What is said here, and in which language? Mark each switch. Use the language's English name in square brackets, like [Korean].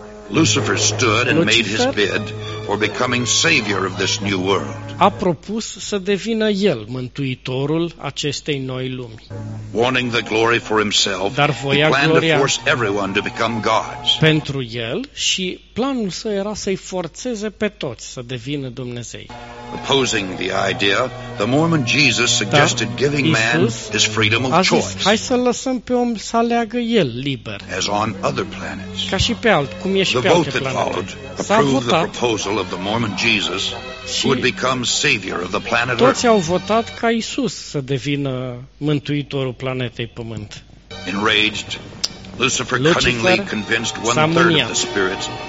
[English] Lucifer stood and made his bid for becoming savior of this new world. [Romanian] A propus să devină el mântuitorul acestei noi lumi. [English] Wanting the glory for himself, [Romanian] dar voia [English] he planned to force everyone to become gods. [Romanian] Pentru el și planul său era să-i forțeze pe toți să devină dumnezei. [English] Opposing the idea, the Mormon Jesus suggested giving man his freedom of choice. [Romanian] A zis, hai să lăsăm pe om să aleagă el liber. [English] As on other planets. [Romanian] Ca și pe alt, cum e și [English] the [Romanian] pe alte planete. S-a votat. [English] The proposal of the Mormon Jesus would become savior of the planet Earth. [Romanian] Toți au votat ca Isus să devină mântuitorul planetei Pământ. Enraged, Lucifer cunningly convinced one-third of the spirits